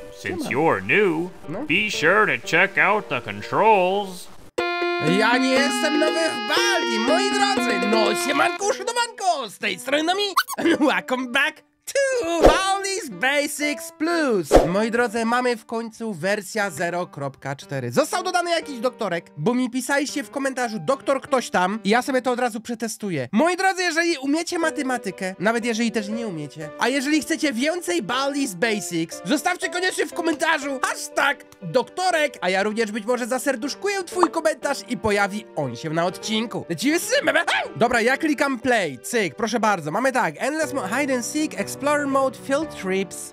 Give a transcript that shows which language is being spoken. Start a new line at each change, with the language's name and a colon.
English: Since you're new, be sure to check out the controls.
Polish: Ja nie jestem nowy w Baldi, moi drodzy! No siemanku, szanowanko! Z tej strony Nami!
English: Welcome back to Baldi's Basics Plus!
Polish: Moi drodzy, mamy w końcu wersja 0.4. Został dodany jakiś doktorek, bo mi pisaliście w komentarzu doktor ktoś tam i ja sobie to od razu przetestuję. Moi drodzy, jeżeli umiecie matematykę, nawet jeżeli też nie umiecie, a jeżeli chcecie więcej Baldi's Basics, zostawcie koniecznie w komentarzu hashtag doktorek, a ja również być może zaserduszkuję twój komentarz i pojawi on się na odcinku. Lecimy z tym. Dobra, ja klikam play, cyk, proszę bardzo. Mamy tak, endless mode, hide and seek, explore mode, field trips.